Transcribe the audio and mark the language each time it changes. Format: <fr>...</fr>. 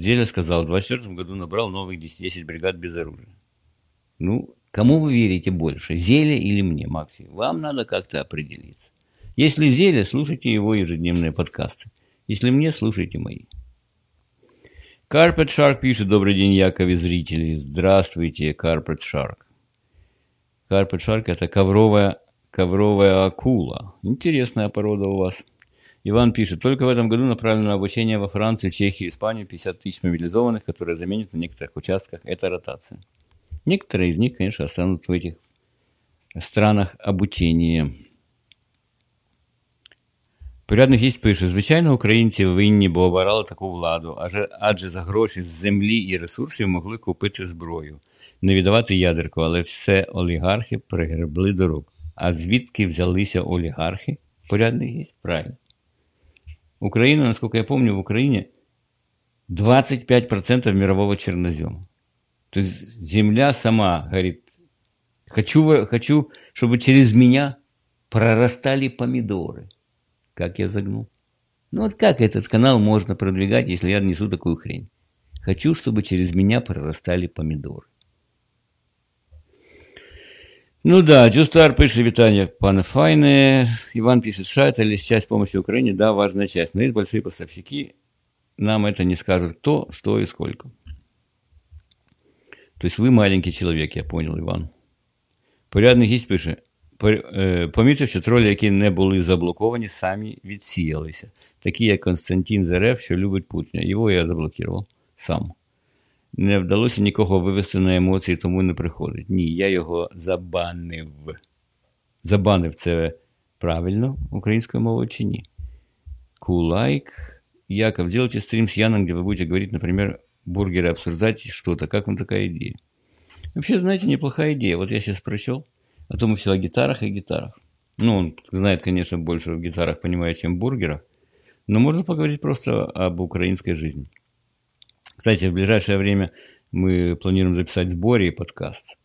<ru>Зеля сказал, в 24-м году набрал новых 10 бригад без оружия. Ну, кому вы верите больше, Зеле или мне, Максим? Вам надо как-то определиться. Если Зеле, слушайте его ежедневные подкасты. Если мне, слушайте мои. Carpet Shark пишет, добрый день, Яков и зрители. Здравствуйте, Carpet Shark. Carpet Shark – это ковровая акула. Интересная порода у вас. Иван пишет, только в этом году направлено обучение во Франции, Чехии, Испании 50 тысяч мобилизованных, которые заменят на некоторых участках. Это ротация. Некоторые из них, конечно, останутся в этих странах обучения. Порядных есть, пишет,</ru> <uk>звичайно, українці винні, бо обирали таку владу, адже за гроші з землі і ресурсів могли купити зброю, не віддавати ядерку, але все олігархи пригребли до рук. А звідки взялися олігархи? Порядних є? Правильно. Україна, наскільки я пам'ятаю, в Україні 25% мирового чорнозьому.</uk> <ru>То есть земля сама говорит, хочу, чтобы через меня прорастали помидоры. Как я загнул? Ну вот как этот канал можно продвигать, если я несу такую хрень? Хочу, чтобы через меня прорастали помидоры. Ну да, Джустар пишет, витание, пане файне. Иван пишет, США это лишь часть помощи Украине? Да, важная часть. Но есть большие поставщики, нам это не скажет, кто, что и сколько. То есть вы маленький человек, я понял, Іван.</ru> <uk>Порядник гість пише, помітив, що тролі, які не були заблоковані, самі відсіялися. Такі, як Константин Зарев, що любить Путіна. Його я заблокував сам. Не вдалося нікого вивести на емоції, тому не приходить. Ні, я його забанив. Забанив це правильно українською мовою чи ні? Кулайк. Яков, зробіть стрім з Яном, де ви будете говорити, наприклад, бургери</uk> <ru>обсуждать что-то. Как вам такая идея? Вообще, знаете, неплохая идея. Вот я сейчас прочел, а то мы все о гитарах и гитарах. Ну, он знает, конечно, больше о гитарах, понимает, чем бургерах. Но можно поговорить просто об украинской жизни. Кстати, в ближайшее время мы планируем записать с Борей подкаст.</ru>